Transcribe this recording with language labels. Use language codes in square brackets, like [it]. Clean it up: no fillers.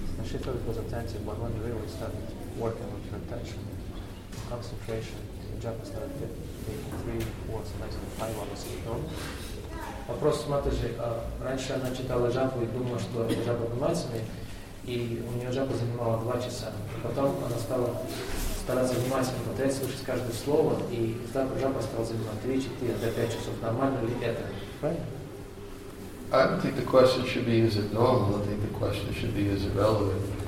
[en] And she thought it was attentive, but when you really started working with your attention, concentration, the japa started taking 3 hours, maximum 5 hours. [ru] Вопрос с Матаджи. Раньше она читала джапу и думала, что джапа внимательная, и у нее джапа занимала 2 часа. Потом она стала стараться внимательно смотреть, слушать каждое слово, и джапа стала занимать 3-4-5 часов. Нормально ли это? [en] I don't think the question should be, is it normal? I think the question should be, is it relevant?